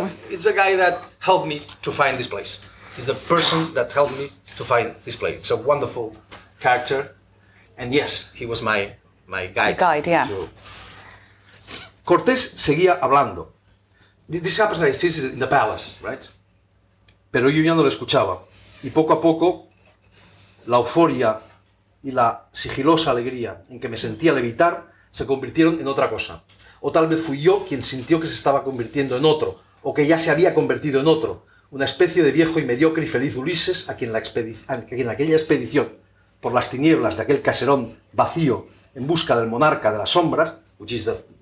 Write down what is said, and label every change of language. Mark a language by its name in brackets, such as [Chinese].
[English] It's a guy that helped me to find this place. He's the person that helped me to find this place. It's a wonderful character. And yes, he was my guide. My guide, yeah. So, [Spanish] Cortés seguía hablando. [English] This happens, like, this is in the palace, right? [Spanish] Pero yo ya no lo escuchaba. Y poco a poco, la euforia y la sigilosa alegría en que me sentía levitar se convirtieron en otra cosa. O tal vez fui yo quien sintió que se estaba convirtiendo en otro, o que ya se había convertido en otro, una especie de viejo y mediocre y feliz Ulises a quien aquella expedición, por las tinieblas de aquel caserón vacío en busca del monarca de las sombras, [English] which is the